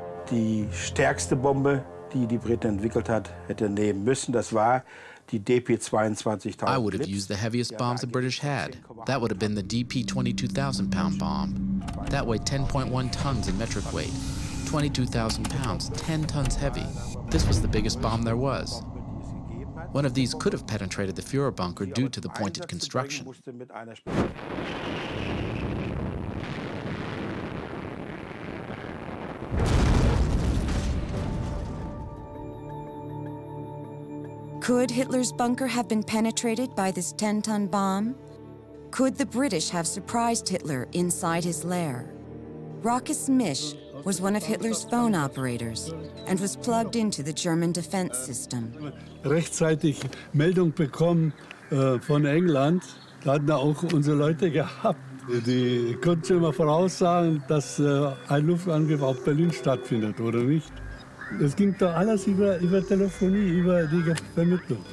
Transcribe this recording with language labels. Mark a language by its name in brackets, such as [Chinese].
[German] Die stärkste Bombe, die die Briten entwickelt hat, hätte nehmen müssen. Das war die DP22.000. [English] I would have used the heaviest bomb the British had. That would have been the DP22,000-pound bomb. That weighed 10.1 tons in metric weight. 22,000 pounds, 10 tons heavy. This was the biggest bomb there was. One of these could have penetrated the Führer bunker due to the pointed construction. Could Hitler's bunker have been penetrated by this 10-ton bomb? Could the British have surprised Hitler inside his lair? Rochus Misch was one of Hitler's phone operators and was plugged into the German defense system. [German] Rechtzeitig Meldung bekommen von England, da hatten wir auch unsere Leute gehabt. Die konnten schon mal voraussagen, dass ein Luftangriff auf Berlin stattfindet, oder nicht? Es ging doch alles über Telefonie, über die Vermittlung.